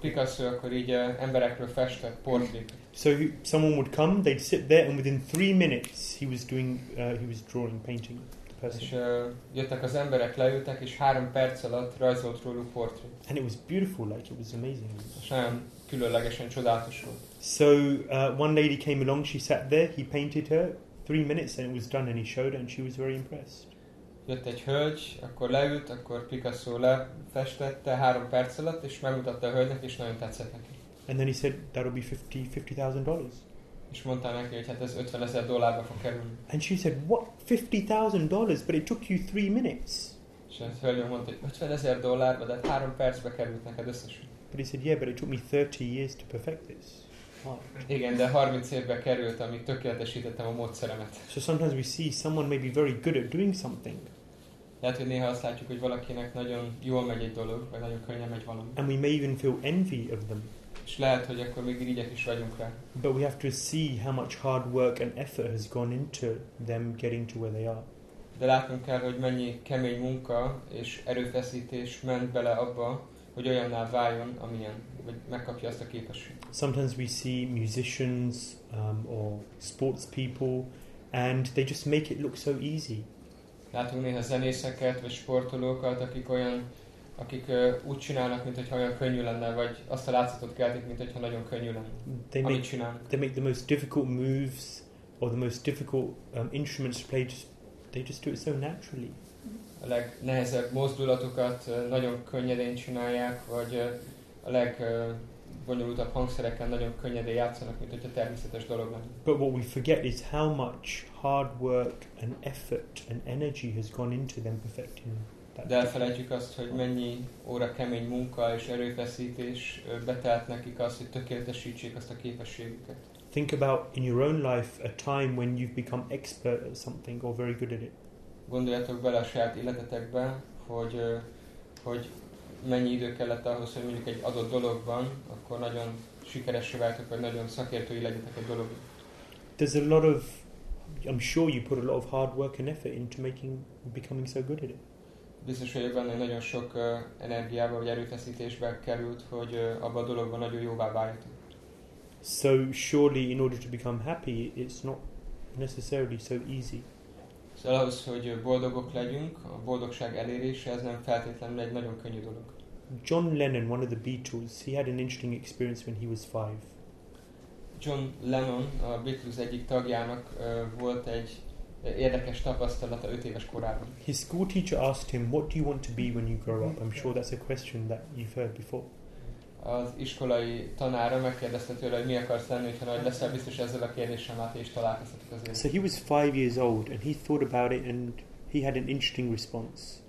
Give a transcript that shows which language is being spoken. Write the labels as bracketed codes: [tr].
[hu] Picasso, akkor így emberekről festett portrait. [en] So someone would come, they'd sit there, and within 3 minutes he was drawing, painting the person. [hu] És jöttek az emberek, leültek, és 3 perc alatt rajzolt róluk portrait. [en] And it was beautiful, like it was amazing. [hu] Különlegesen csodálatos volt. [en] So one lady came along, she sat there, he painted her, 3 minutes and it was done, and he showed her, and she was very impressed. [hu] Jött egy hölgy, akkor leült, akkor Picasso lefestette 3 perc alatt, és megmutatta a hölgynek, és nagyon tetszett neki. [en] And then he said, that'll be $50,000. [hu] És mondta neki, hogy hát ez $50,000 fog kerülni. [en] And she said, what, $50,000, but it took you 3 minutes. [hu] És a hölgy mondta, hogy $50,000, de 3 percbe került neked összesen. [en] But he said, yeah, but it took me 30 years to perfect this. Wow. [hu] Igen, de 30 évbe került, amíg tökéletesítettem a módszeremet. [en] So sometimes we see someone may be very good at doing something. [hu] Lehet, hogy néha azt látjuk, hogy valakinek nagyon jól megy egy dolog, vagy nagyon könnyen megy valami. [en] And we may even feel envy of them. [hu] És lehet, hogy akkor még irigyek is vagyunk rá. [en] But we have to see how much hard work and effort has gone into them getting to where they are. [hu] De látnunk kell, hogy mennyi kemény munka és erőfeszítés ment bele abba, hogy olyanná váljon, amilyen, vagy megkapja azt a képességet. [en] Sometimes we see musicians or sports people, and they just make it look so easy. [hu] Látunk néha zenészeket, vagy sportolókat, akik úgy csinálnak, mintha olyan könnyű lenne, vagy azt a látszatot keltik, mintha nagyon könnyű lenne, amit csinálnak. [en] They make the most difficult moves, or the most difficult instruments to play just They just do it so naturally. [hu] A legnehezebb mozdulatokat nagyon könnyedén csinálják, vagy a legbonyolultabb hangszereken nagyon könnyedén játszanak, mint hogyha természetes dolog lenne. [en] But what we forget is how much hard work and effort and energy has gone into them perfecting that. [hu] De elfelejtjük azt, hogy mennyi óra kemény munka és erőfeszítés betelt nekik azt, hogy tökéletesítsék azt a képességüket. [en] Think about in your own life a time when you've become expert at something or very good at it. [hu] Gondoljatok bele a saját életetekbe, hogy hogy mennyi idő kellett ahhoz, hogy mondjuk egy adott dologban, akkor nagyon sikeressé váltok, vagy nagyon szakértői legyetek a dologban. [en] There's a lot of, I'm sure you put a lot of hard work and effort into making, becoming so good at it. [hu] Biztos vagyok benne, hogy nagyon sok energiába vagy erőfeszítésbe került, hogy abban a dologban nagyon jóvá váljatok. [en] So surely in order to become happy, it's not necessarily so easy. [hu] Szóval ahhoz, hogy boldogok legyünk, a boldogság elérése, ez nem feltétlenül egy nagyon könnyű dolog. [en] John Lennon, one of the Beatles, he had an interesting experience when he was 5. [hu] John Lennon, a Beatles egyik tagjának volt egy érdekes tapasztalata 5 éves korában. [en] His school teacher asked him, what do you want to be when you grow up? I'm sure that's a question that you've heard before. [hu] Az iskolai tanára megkérdezte tőle, hogy mi akarsz lenni, hogyha nagy leszel, biztos ezzel a kérdéssel már te is találkoztatok az életben. [en] So he was 5 years old, and he thought about it, and he had an interesting response.